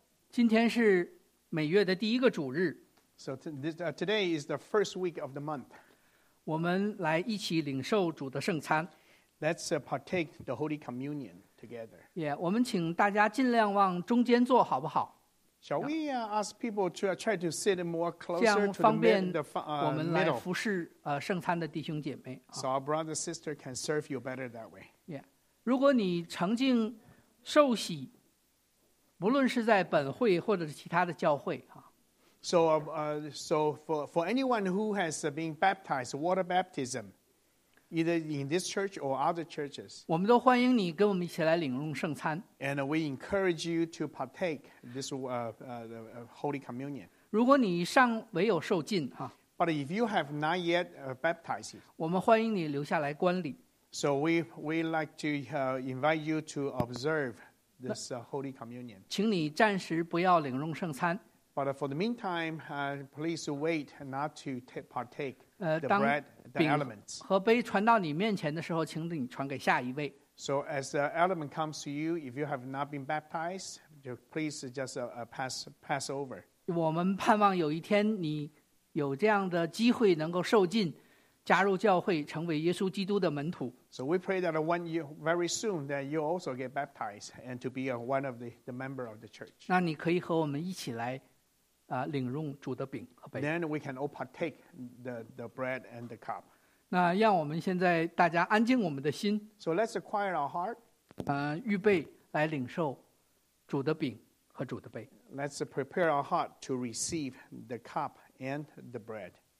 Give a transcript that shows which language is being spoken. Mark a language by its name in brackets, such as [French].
[Chinese] 今天是每月的第一个主日。 [English] So today is the first week of the month. [Chinese] 我们来一起领受主的圣餐。 [English] Let's partake the Holy Communion together. [Chinese] Yeah, 我们请大家尽量往中间坐好不好 [English] Shall we ask people to try to sit more closer to the middle? [Chinese] 这样方便我们来服侍圣餐的弟兄姐妹。 [English] So our brother and sister can serve you better that way. [Chinese] Yeah, 如果你曾经受洗不论是在本会或者是其他的教会 [English] So for anyone who has been baptized, water baptism, either in this church or other churches. [Chinese] 我们都欢迎你跟我们一起来领用圣餐。 [English] And we encourage you to partake this Holy Communion. [Chinese] 如果你尚未有受浸哈。 [English] But if you have not yet baptized, [Chinese] 我们欢迎你留下来观礼。 [English] So we like to invite you to observe this Holy Communion. [Chinese] 请你暂时不要领用圣餐。 [English] But for the meantime, please wait not to partake the bread, the elements. [Chinese] 和杯传到你面前的时候，请你传给下一位。 [English] So as the element comes to you, if you have not been baptized, please just pass over. [Chinese] 我们盼望有一天你有这样的机会能够受浸，加入教会，成为耶稣基督的门徒。 [English] So we pray that one year, very soon that you also get baptized and to be one of the member of the church. [Chinese] 那你可以和我们一起来领用主的饼和杯。 [English] Then we can all partake the bread and the cup. [Chinese] 那让我们现在大家安静我们的心。 [English] So let's quiet our heart. [Chinese] 预备来领受主的饼和主的杯。 [English] Let's prepare our heart to receive the cup and the bread.